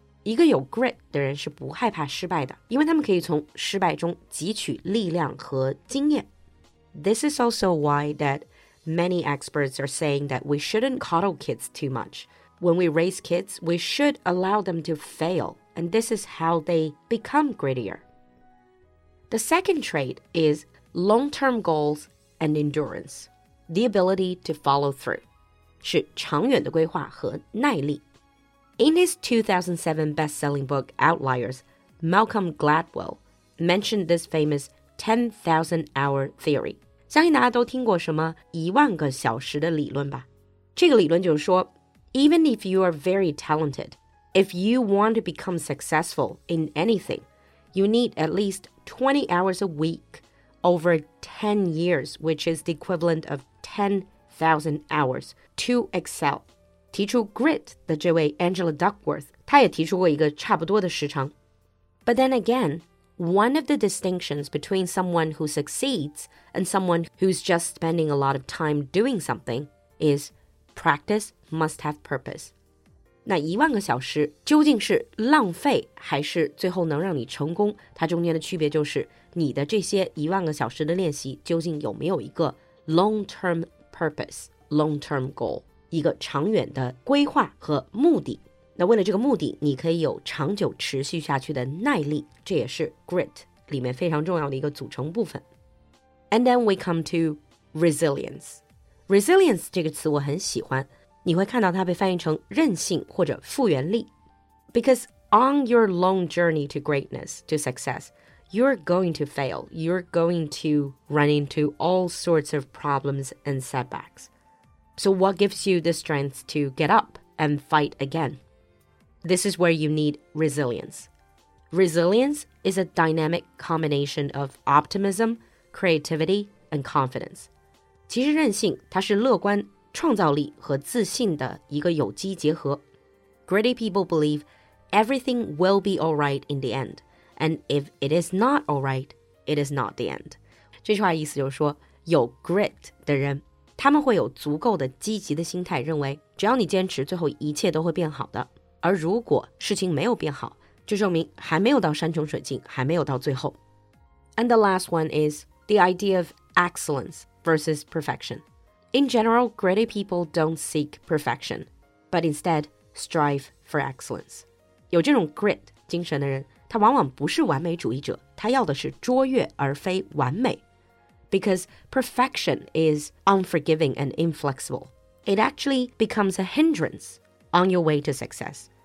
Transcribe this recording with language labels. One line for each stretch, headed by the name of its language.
Chinese: 一个有 grit 的人是不害怕失败的，因为他们可以从失败中汲取力量和经验。
English: This is also why that many experts are saying that we shouldn't coddle kids too much. When we raise kids, we should allow them to fail, and this is how they become grittier. The second trait is long-term goals and endurance, the ability to follow through.
Chinese: 是长远的规划和耐力。
English: In his 2007 best-selling book, Outliers, Malcolm Gladwell mentioned this famous 10,000-hour theory.
Chinese: 相信大家都听过什么一万个小时的理论吧。这个理论就是说
English: ,even if you are very talented, if you want to become successful in anything, you need at least 20 hours a week over 10 years, which is the equivalent of 10,000 hours to excel.
Chinese: 提出 grit 的这位 Angela Duckworth, 她也提出过一个差不多的时长。
English: But then again, one of the distinctions between someone who succeeds and someone who's just spending a lot of time doing something is practice must have purpose.
Chinese: 那一万个小时究竟是浪费还是最后能让你成功，它中间的区别就是你的这些一万个小时的练习究竟有没有一个
English: long-term purpose, long-term goal.
Chinese: 一个长远的规划和目的，那为了这个目的，你可以有长久持续下去的耐力，这也是 grit 里面非常重要的一个组成部分。
English: And then we come to resilience.
Chinese: Resilience 这个词我很喜欢，你会看到它被翻译成韧性或者复原力。
English: Because on your long journey to greatness, to success, you're going to fail. You're going to run into all sorts of problems and setbacks. So what gives you the strength to get up and fight again? This is where you need resilience. Resilience is a dynamic combination of optimism, creativity, and confidence.
Chinese: 其实韧性它是乐观、创造力和自信的一个有机结合。
English: Gritty people believe everything will be all right in the end. And if it is not all right, it is not the end.
Chinese: 这句话意思就是说，有 grit 的人他们会有足够的积极的心态，认为只要你坚持，最后一切都会变好的。而如果事情没有变好，就证明还没有到山穷水尽，还没有到最后。
English: And the last one is the idea of excellence versus perfection. In general, gritty people don't seek perfection, but instead strive for excellence.
Chinese: 有这种 grit 精神的人，他往往不是完美主义者，他要的是卓越而非完美。
English: Because perfection is unforgiving and inflexible. It actually becomes a hindrance on your way to success.